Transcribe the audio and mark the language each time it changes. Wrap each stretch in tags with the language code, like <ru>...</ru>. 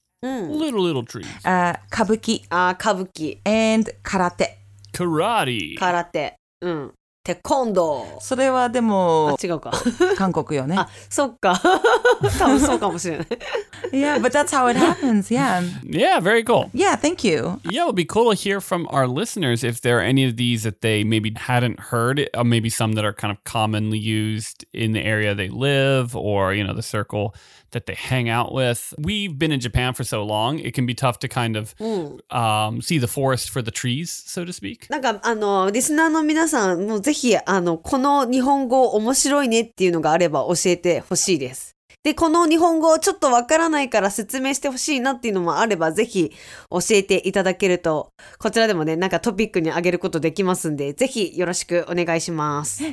<en>Little trees. Kabuki. Ah, kabuki. And karate. Karate.</en> <ja>Karate. テコンドー。それはでも、あ、違うか。韓国よね。あ、そっか。多分そうかもしれない。</ja> <en>Yeah, but that's how it happens. Yeah. Yeah, very cool. Yeah, thank you. Yeah, it would be cool to hear from our listeners if there are any of these that they maybe hadn't heard, or maybe some that are kind of commonly used in the area they live or, you know, the circle that they hang out with. We've been in Japan for so long, it can be tough to kind of see the forest for the trees, so to speak.</en> <ja>なんかあの、リスナーの皆さんもぜひあの、この日本語面白いねっていうのがあれば教えてほしいです。で、この日本語をちょっとわからないから説明してほしいなっていうのもあれば、ぜひ教えていただけると、こちらでもね、なんかトピックに挙げることできますんで、ぜひよろしくお願いします。</ja>